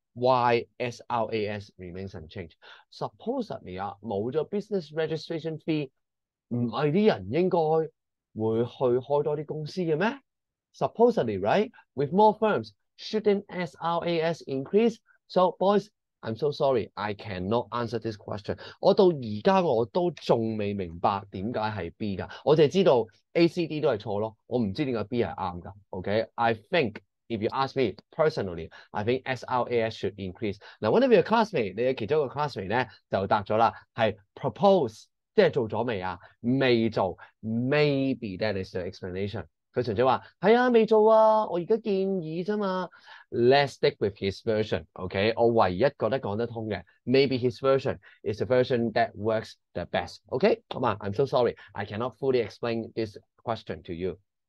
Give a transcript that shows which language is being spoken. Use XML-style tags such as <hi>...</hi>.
<en>Why SRAS remains unchanged? Supposedly</en> <yue>啊，冇咗</yue> <en>business registration fee，</en> <yue>唔系啲人应该会去开多啲公司嘅咩？</yue> <en>Supposedly, right? With more firms, shouldn't SRAS increase? So, boys, I'm so sorry, I cannot answer this question.</en> <yue>我到而家我都仲未明白点解系 B 噶，我净系知道 A、C、D 都系错咯，我唔知点解 B 系啱噶。</yue> <en>OK, I think. If you ask me personally, I think SRAS should increase.</en> <yue>嗱，</yue> <en>one of your classmate，</en> <yue>你嘅其中一个 classmate 咧就答咗啦，系 propose，即系做咗未啊？未做，</yue> <en>maybe that is the explanation。</en> <yue>佢纯粹话系啊，未做啊，我而家建议啫嘛。</yue> <en>Let's stick with his version, okay？</en> <yue>我唯一觉得讲得通嘅，</yue> <en>maybe his version is the version that works the best, okay？</en> <yue>好嘛，</yue> <en>I'm so sorry, I cannot fully explain this question to you.</en>